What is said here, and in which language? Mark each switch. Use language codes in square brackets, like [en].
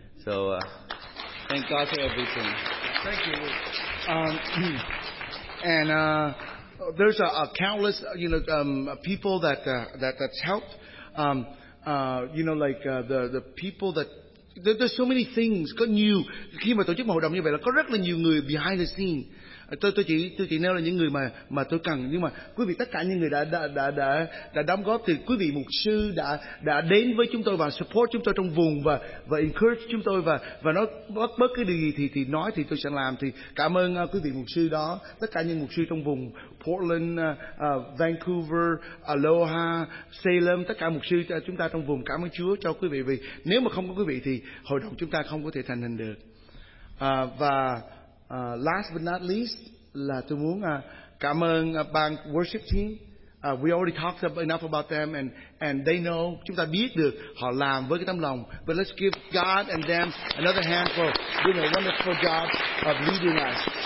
[en] So thank God for everything. Thank you. There's a countless, you know, people that's helped, you know, like the people that there's so many things. [vi] Có nhiều khi mà tổ chức một hội đồng như vậy là có rất là nhiều người [en] behind the scene. [vi] Tôi chỉ nêu là những người mà tôi cần, nhưng mà quý vị, tất cả những người đã đóng góp, thì quý vị mục sư đã đến với chúng tôi và support chúng tôi trong vùng và encourage chúng tôi và nói bất cứ điều gì thì nói thì tôi sẽ làm. Thì cảm ơn quý vị mục sư đó, tất cả những mục sư trong vùng Portland, Vancouver, Aloha, Salem, tất cả mục sư chúng ta trong vùng, cảm ơn Chúa cho quý vị, vì nếu mà không có quý vị thì hội đồng chúng ta không có thể thành hình được. [en] Last but not least, [vi] là tôi muốn cảm ơn ban worship team. [en] We already talked enough about them, and they know, [vi] chúng ta biết được họ làm với cái tấm lòng. [en] But let's give God and them another hand for doing a wonderful job of leading us.